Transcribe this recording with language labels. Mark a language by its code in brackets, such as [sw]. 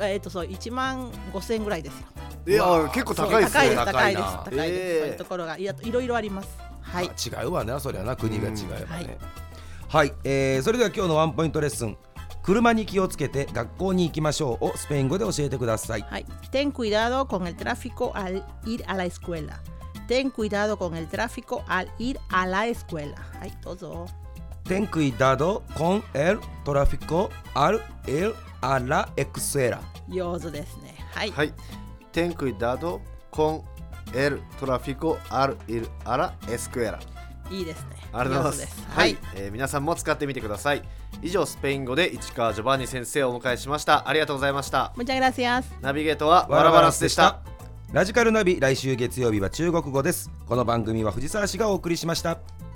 [ja] え、そう、1万5千円ぐらいですよ。いや、結構高いですね。高いです、高いです、高いです、高いです。そういうところが、いや、いろいろあります。はい、まあ、違うわね、それはな、国が違えばね。はい、はい、それでは今日のワンポイントレッスン、車に気をつけて学校に行きましょうをスペイン語で教えてください。 [es] はい、Ten cuidado con el tráfico al ir a la escuela. Ten cuidado con el tráfico al ir a la escuela. [ja] はい、どうぞ。 [es] Ten cuidado con el tráfico al ir a la escuela. [ja] 上手ですね。はい、 [es] はい、Ten cuidado con el tráfico al ir a la escuela. [ja] いいですね。ありがとうございます。はい、皆さんも使ってみてください。以上、スペイン語で市川ジョバンニ先生をお迎えしました。ありがとうございました。 [es] Muchas gracias。 [ja] ナビゲートはワラバランスでした。ラジカルナビ、来週月曜日は中国語です。この番組は藤沢市がお送りしました。